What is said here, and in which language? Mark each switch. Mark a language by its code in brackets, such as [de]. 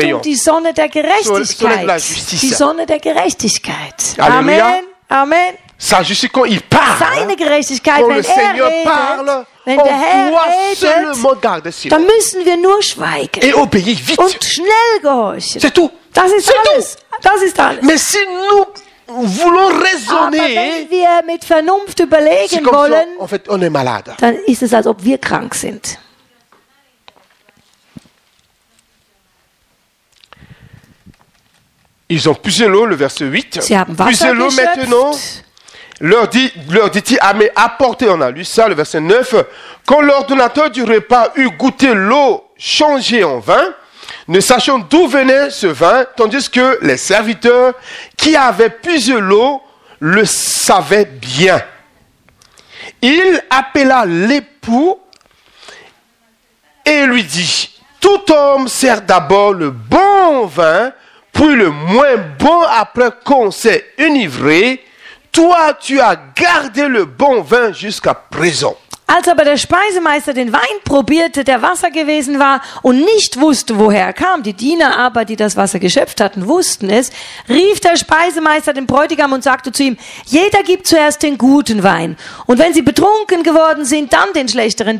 [de] Es geht um die Sonne der Gerechtigkeit. [fr] Soleil de la justice. [de] Die Sonne der Gerechtigkeit. [fr] Alléluia. [de] Amen. Amen. [fr] Sa justice quand il parle. [de] Seine Gerechtigkeit, [fr] quand [de] wenn [fr] le Seigneur parle. [de] Wenn der Herr redet, dann müssen wir nur schweigen. [fr] Et obéir vite. [de] Und schnell gehorchen. [fr] C'est tout. [de] Das ist [fr] c'est [de] alles. [fr] Tout. [de] Das ist alles. [fr] Mais si nous voulons raisonner, [de] aber wenn wir mit Vernunft überlegen wollen, [fr] en fait, on est malade. [de] Dann ist es, als ob wir krank sind. [fr] Ils ont puisé l'eau, le verset 8. [de] Sie haben Wasser [fr] puisé l'eau [de] geschöpft. [fr] Maintenant. Leur dit-il, mais apportez, on a lu ça, le verset 9, quand l'ordonnateur du repas eut goûté l'eau changée en vin, ne sachant d'où venait ce vin, tandis que les serviteurs qui avaient puisé l'eau le savaient bien. Il appela l'époux et lui dit, tout homme sert d'abord le bon vin, puis le moins bon après qu'on s'est enivré. Toi, tu as gardé le bon vin jusqu'à présent. [de] Als aber der Speisemeister den Wein probierte, der Wasser gewesen war und nicht wusste, woher er kam, die Diener aber, die das Wasser geschöpft hatten, wussten es, rief der Speisemeister den Bräutigam und sagte zu ihm, jeder gibt zuerst den guten Wein und wenn sie betrunken geworden sind, dann den schlechteren.